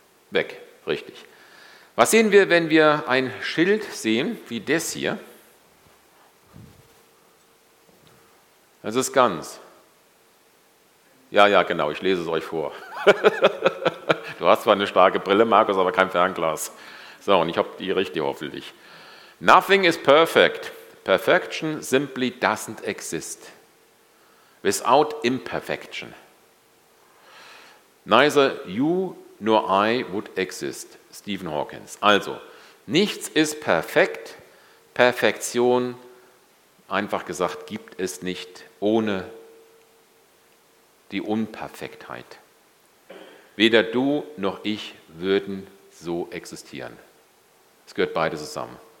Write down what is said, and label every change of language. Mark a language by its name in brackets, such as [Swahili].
[German] Weg, richtig. Was sehen wir, wenn wir ein Schild sehen, wie das hier? Es ist ganz. Ja, genau, ich lese es euch vor. Du hast zwar eine starke Brille, Markus, aber kein Fernglas. So, und ich habe die richtig hoffentlich. [English] Nothing is perfect. Perfection simply doesn't exist. Without imperfection. Neither you nor I would exist, Stephen Hawkins. [German] Also, nichts ist perfekt, Perfektion, einfach gesagt, gibt es nicht ohne die Unperfektheit. Weder du noch ich würden so existieren. Es gehört beide zusammen.